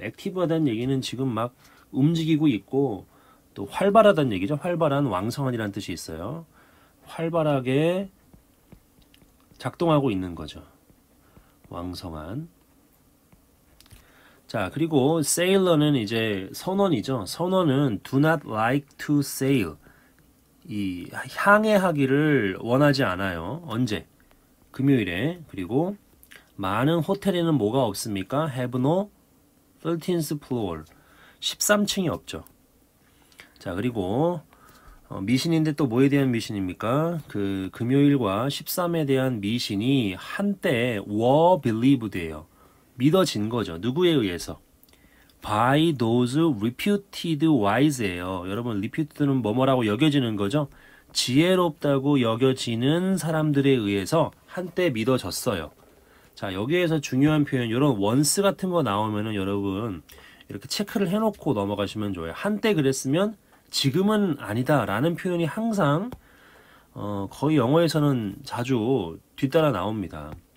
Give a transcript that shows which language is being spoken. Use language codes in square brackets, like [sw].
[ko] active하다는 얘기는 지금 막 움직이고 있고 또 활발하다는 얘기죠. 활발한 왕성한이라는 뜻이 있어요. 활발하게 작동하고 있는 거죠. 왕성한. 자, 그리고 sailor는 이제 선원이죠. 선원은 [en] do not like to sail. [ko] 이 항해하기를 원하지 않아요. 언제? 금요일에. 그리고 많은 호텔에는 뭐가 없습니까? [en] Have no 13th floor. [ko] 13층이 없죠. 자, 그리고 미신인데 또 뭐에 대한 미신입니까? 그 금요일과 13에 대한 미신이 한때 [en] were believed [ko] 돼요. 믿어진 거죠. 누구에 의해서? [en] By those reputed wise [ko] 예요. 여러분, reputed는 뭐뭐라고 여겨지는 거죠? 지혜롭다고 여겨지는 사람들에 의해서 한때 믿어졌어요. 자, 여기에서 중요한 표현, 이런 once 같은 거 나오면은 여러분, 이렇게 체크를 해놓고 넘어가시면 좋아요. 한때 그랬으면 지금은 아니다라는 표현이 항상, 거의 영어에서는 자주 뒤따라 나옵니다.